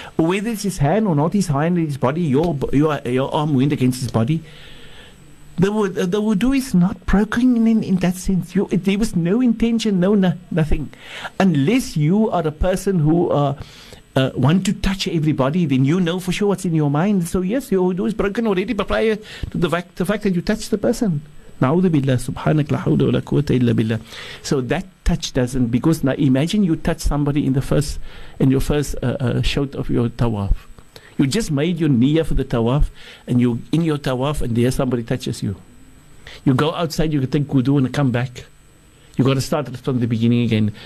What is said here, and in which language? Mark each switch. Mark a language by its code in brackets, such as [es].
[en] Whether it's his hand or not, his hand, his body, your arm went against his body, the wudu is not broken in that sense. There was no intention, nothing. Unless you are a person who want to touch everybody, then you know for sure what's in your mind. So yes, your wudu is broken already, but prior to the fact that you touched the person. [ar] نعوذ بالله سبحانك لا حول ولا قوة إلا بالله. [en] So that touch doesn't, because now imagine you touch somebody in your first shout of your tawaf. You just made your niyyah for the tawaf, and you in your tawaf, and there somebody touches you. You go outside, you can take wudu and come back. You got to start from the beginning again.